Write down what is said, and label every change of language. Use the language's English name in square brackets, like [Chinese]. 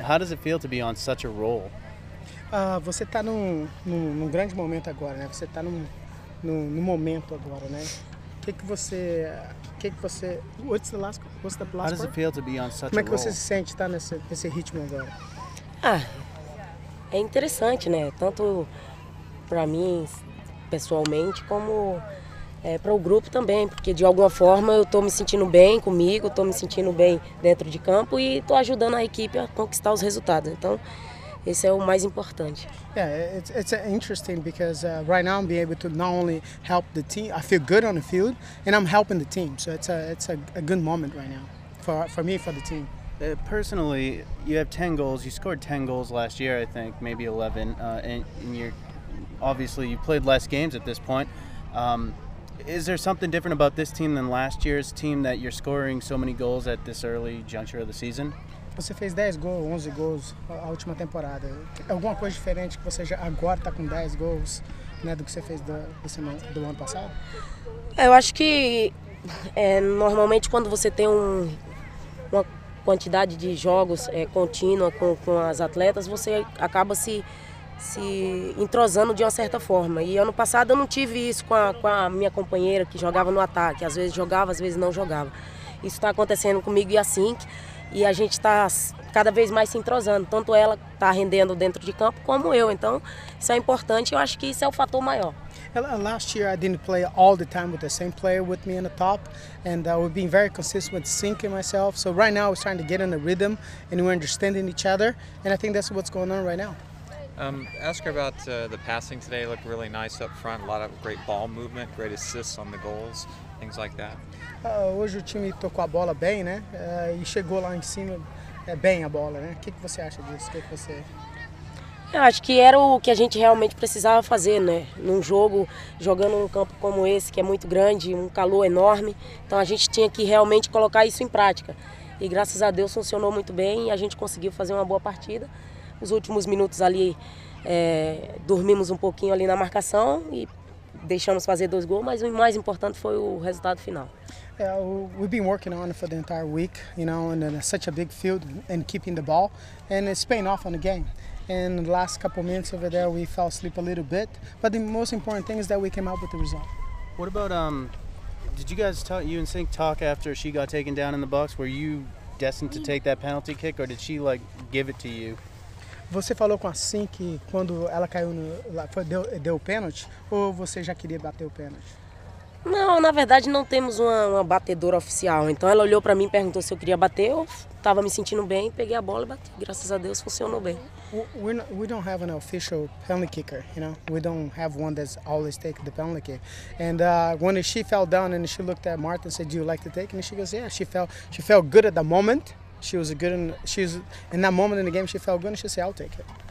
[English] How does it feel to be on such a roll? [Portuguese] Você está num grande momento agora, né? Você está num momento agora, né? O que você... [English] What's the last How does it feel to be on such a roll? [Portuguese] Como é que você se sente estar nesse ritmo agora? Ah, é interessante, né? Tanto para mim, pessoalmente, como para o grupo também. Porque, de alguma forma, eu estou me sentindo bem comigo, estou me sentindo bem dentro de campo e estou ajudando a equipe a conquistar os resultados. Então... esse é o mais importante. [English] Yeah, it's interesting because right now I'm being able to not only help the team, I feel good on the field, and I'm helping the team. So it's a good moment right now for me, for the team. Personally, you have 10 goals. You scored 10 goals last year, I think, maybe 11. And you're obviously you played less games at this point. Is there something different about this team than last year's team that you're scoring so many goals at this early juncture of the season? [Portuguese] Você fez 10 gols, 11 gols a última temporada. Alguma coisa diferente que você já agora está com 10 gols, né, do que você fez do ano passado? Eu acho que normalmente quando você tem uma quantidade de jogos contínua com as atletas, você acaba se entrosando de uma certa forma. E ano passado eu não tive isso com a minha companheira que jogava no ataque. Às vezes jogava, às vezes não jogava. Isso está acontecendo comigo e assim. E a gente está cada vez mais se entrosando. Tanto ela está rendendo dentro de campo, como eu. Então, isso é importante. Eu acho que isso é o fator maior. [English] Last year, I didn't play all the time with the same player with me in the top. And we've been very consistent with Sink and myself. So, right now, we're starting to get in the rhythm. And we're understanding each other. And I think that's what's going on right now. Ask her about the passing today. It looked really nice up front. A lot of great ball movement, great assists on the goals, things like that. [Portuguese] Hoje o time tocou a bola bem, né? E chegou lá em cima bem a bola, né? O que, que você acha disso? Eu acho que era o que a gente realmente precisava fazer, né? Num jogo, jogando um campo como esse, que é muito grande, um calor enorme. Então a gente tinha que realmente colocar isso em prática. E graças a Deus funcionou muito bem e a gente conseguiu fazer uma boa partida. Os últimos minutos ali, dormimos um pouquinho ali na marcação e deixamos fazer 2 gols, mas o mais importante foi o resultado final. [English] We've been working on it for the entire week, you know, and in such a big field and keeping the ball, and it's paying off on the game. And the last couple minutes over there, we fell asleep a little bit, but the most important thing is that we came out with the result. What about, did you guys talk, you and Sink talk after she got taken down in the box? Were you destined to take that penalty kick, or did she, like, give it to you? [Portuguese] Você falou com a Sink quando ela caiu no deu o pênalti ou você já queria bater o pênalti? Não, na verdade não temos uma batedora oficial. Então ela olhou para mim e perguntou se eu queria bater. Eu estava me sentindo bem, peguei a bola e bati. Graças a Deus funcionou bem. [English] We don't have an official penalty kicker, you know. We don't have one that's always taking the penalty kick. And when she fell down and she looked at Martha and said, "Do you like to take?" And she goes, "Yeah." She felt good at the moment. She was good, and she was in that moment in the game. She felt good, and she said, "I'll take it."